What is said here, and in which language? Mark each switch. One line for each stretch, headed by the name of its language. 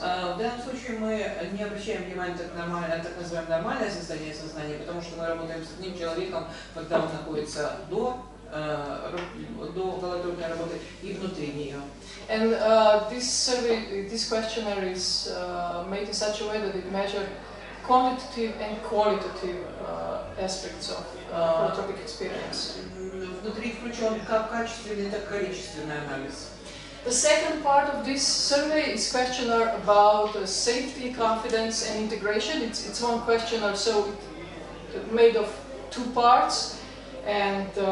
Russian: В данном случае мы не обращаем внимания на так называемое нормальное состояние сознания, потому что мы работаем с одним человеком, когда он находится до холотропной работы и внутри нее.
English: And this survey, this questionnaire is made in such a way that it measures quantitative and qualitative aspects of holotropic experience.
Russian: Внутри включен как качественный, так и количественный анализ.
English: The second part of this survey is questionnaire about safety, confidence, and integration. It's one questionnaire, so it's made of two parts, and